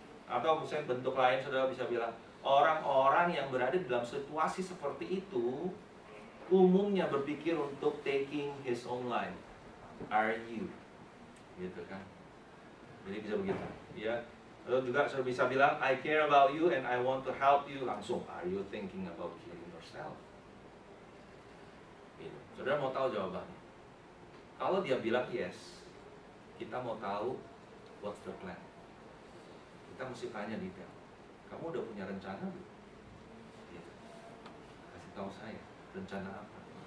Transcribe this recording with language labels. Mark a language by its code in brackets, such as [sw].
[id] Atau misalnya bentuk lain, saudara bisa bilang, orang-orang yang berada dalam situasi seperti itu, umumnya berpikir untuk taking his own life. [en] Are you? [id] Gitu kan? Jadi bisa begitu, ya. Lalu juga saya bisa bilang, [en] I care about you and I want to help you. [id] Langsung, [en] are you thinking about killing yourself? [id] Gitu. Saudara mau tahu jawabannya. Kalau dia bilang yes, kita mau tahu [en] what's the plan. [id] Kita mesti tanya detail. Kamu udah punya rencana belum? Gitu. Kasih tahu saya, rencana apa?